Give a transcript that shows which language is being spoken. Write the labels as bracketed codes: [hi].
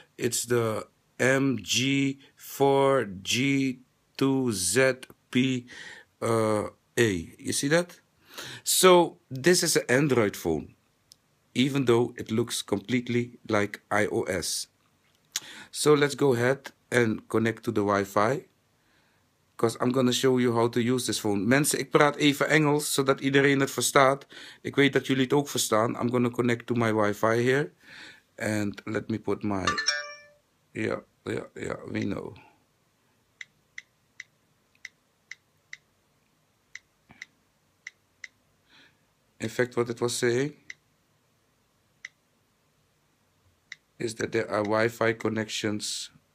[en] It's the MG4G2ZPA. You see that? So this is an Android phone, even though it looks completely like iOS. So let's go ahead and connect to the Wi-Fi, because I'm going to show you how to use this phone. [nl] Mensen, ik praat even Engels, zodat iedereen het verstaat. Ik weet dat jullie het ook verstaan. [en] I'm going to connect to my Wi-Fi here. And let me put my... Yeah, we know. In fact, what it was saying is that there are Wi-Fi connections.